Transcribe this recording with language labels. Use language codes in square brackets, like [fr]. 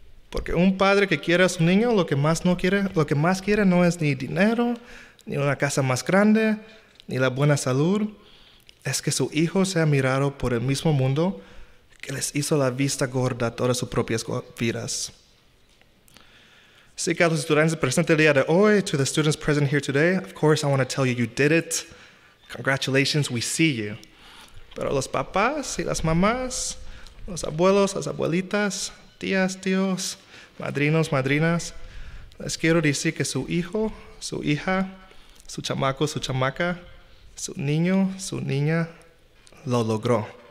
[es] Porque un padre que quiere a su niño, lo que más quiere no es ni dinero, ni una casa más grande, ni la buena salud. Es que su hijo sea mirado por el mismo mundo que les hizo la vista gorda a todas sus propias vidas. Así que a los estudiantes presentes el día de hoy, [en] to the students present here today, of course I want to tell you, you did it. Congratulations, we see you. [es] Pero los papás y las mamás, los abuelos, las abuelitas, tías, tíos, madrinos, madrinas, les quiero decir que su hijo, su hija, su chamaco, su chamaca, su niño, su niña, lo logró.